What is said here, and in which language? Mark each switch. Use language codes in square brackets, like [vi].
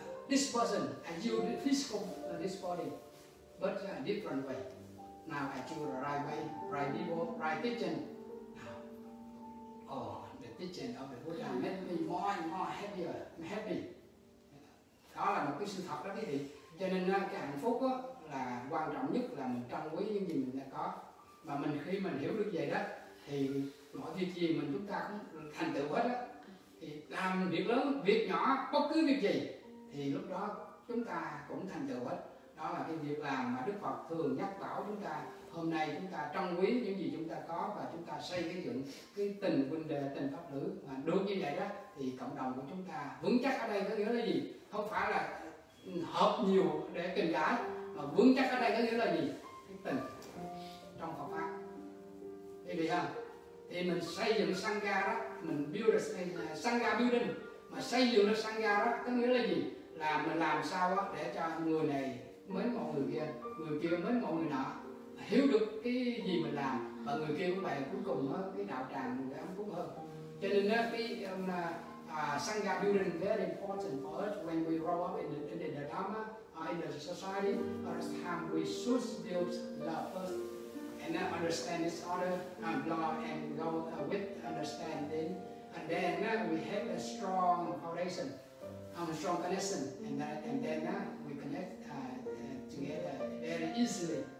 [en] This person, I use this body, but in a different way. Now I choose the right way, right people, right teaching. Now, oh, the teaching of the Buddha made me more and more happier and happy. [vi] Đó là một cái sự thật đó quý vị. Cho nên cái hạnh phúc đó là quan trọng nhất, là mình trân quý những gì mình đã có. Và mình khi mình hiểu được vậy đó, thì mọi việc gì mình chúng ta cũng thành tựu hết á. Thì làm việc lớn, việc nhỏ, bất cứ việc gì, thì lúc đó chúng ta cũng thành tựu hết. Đó là cái việc làm mà Đức Phật thường nhắc bảo chúng ta. Hôm nay chúng ta trân quý những gì chúng ta có, và chúng ta xây dựng cái tình huynh đệ, tình pháp nữ. Mà được như vậy đó, thì cộng đồng của chúng ta vững chắc ở đây có nghĩa là gì? Không phải là hợp nhiều để tình gái, mà vững chắc ở đây có nghĩa là gì? Cái tình trong Phật Pháp. Thì vậy không? Thì mình xây dựng Sangha đó, mình [en] build a Sangha building. [vi] Mà xây dựng Sangha đó có nghĩa là gì? Là mình làm sao đó để cho người này mến mộ người kia mến mộ người nọ, hiểu được cái gì mình làm, và người kia cũng vậy, cuối cùng đó, cái đạo tràng mình cảm phúc hơn. Cho nên đó, cái [en] Sangha building very important for us when we grow up in the Dharma, in the society. First time we should build love first and then understand each other and love and go with understanding, and then we have a strong foundation, a strong connection, and then we connect together very easily.